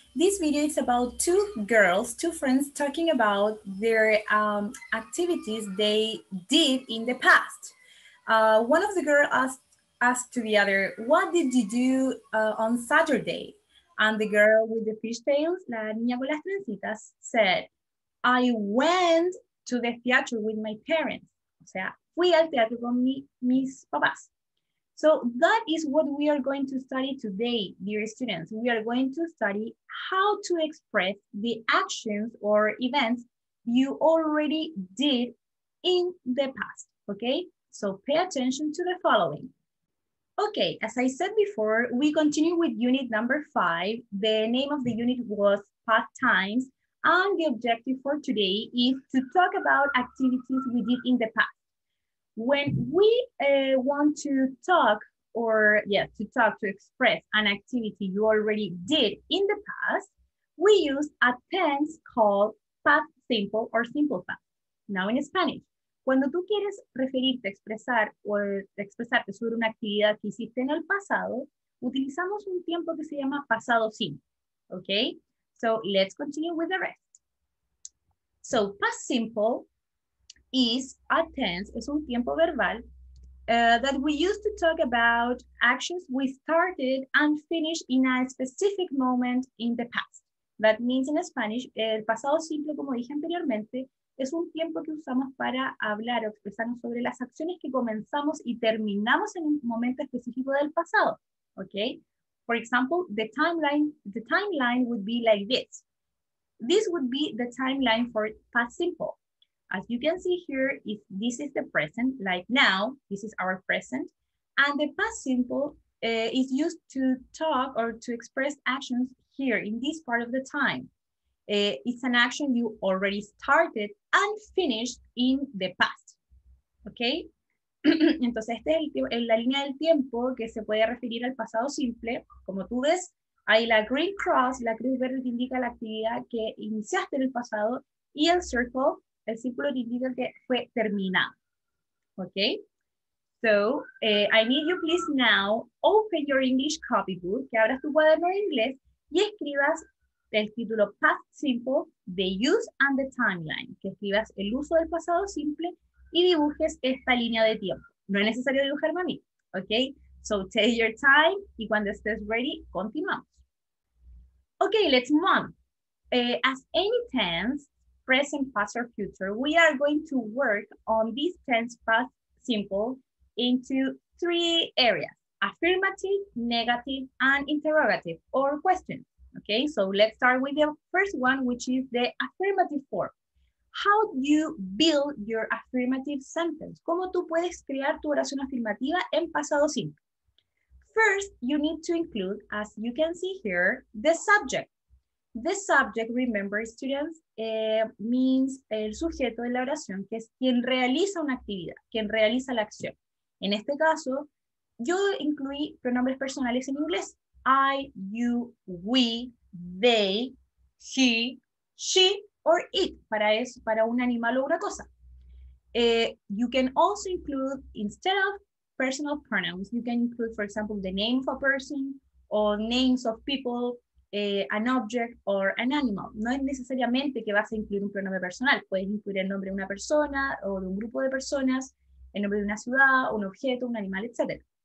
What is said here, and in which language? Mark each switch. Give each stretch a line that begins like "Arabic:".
English: This video is about two girls, two friends, talking about their activities they did in the past. One of the girls asked to the other, what did you do on Saturday? And the girl with the fishtails,
Spanish: la niña con las trencitas,
English: said, I went to the theater with my parents.
Spanish: O sea, fui al teatro con mis papás.
English: So that is what we are going to study today, dear students. We are going to study how to express the actions or events you already did in the past, okay? So pay attention to the following. Okay, as I said before, we continue with unit number 5. The name of the unit was Past Times, and the objective for today is to talk about activities we did in the past. When we want to talk to express an activity you already did in the past, we use a tense called past simple or simple past. Now in Spanish,
Spanish: cuando tú quieres referirte, expresar o expresarte sobre una actividad que hiciste en el pasado, utilizamos un tiempo que se llama pasado simple, okay?
English: So let's continue with the rest. So past simple is a tense,
Spanish: es un tiempo verbal,
English: that we use to talk about actions we started and finished in a specific moment in the past. That means in Spanish,
Spanish: el pasado simple, como dije anteriormente, es un tiempo que usamos para hablar o expresarnos sobre las acciones que comenzamos y terminamos en un momento específico del pasado, okay?
English: For example, the timeline would be like this. This would be the timeline for past simple. As you can see here, if this is the present, like now, this is our present, and the past simple is used to talk or to express actions here in this part of the time. It's an action you already started and finished in the past, okay?
Spanish: Entonces, este es la línea del tiempo que se puede referir al pasado simple. Como tú ves, ahí la
English: green cross,
Spanish: la cruz verde te indica la actividad que iniciaste en el pasado, y el circle, el círculo te indica que fue terminado, okay?
English: So, I need you please now open your English copybook,
Spanish: que abras tu cuaderno de inglés y escribas el título
English: past simple, the use and the timeline,
Spanish: que escribas el uso del pasado simple y dibujes esta línea de tiempo. No es necesario dibujarme a mí, okay?
English: So, take your time
Spanish: y cuando estés ready, continuamos.
English: Okay, let's move on. As any tense, present, past, or future, we are going to work on this tense past simple into three areas: affirmative, negative, and interrogative or question. Okay, so let's start with the first one, which is the affirmative form. How do you build your affirmative sentence?
Spanish: ¿Cómo tú puedes crear tu oración afirmativa en pasado simple?
English: First, you need to include, as you can see here, the subject. The subject, remember students, means
Spanish: el sujeto de la oración, que es quien realiza una actividad, quien realiza la acción. En este caso, yo incluí pronombres personales en inglés.
English: I, you, we, they, he, she, or it,
Spanish: para eso, para un animal o una cosa.
English: You can also include, instead of personal pronouns, you can include, for example, the name of a person, or names of people, an object, or an animal.
Spanish: No es necesariamente que vas a incluir un pronombre personal. Puedes incluir el nombre de una persona, o de un grupo de personas, el nombre de una ciudad, un objeto, un animal, etc.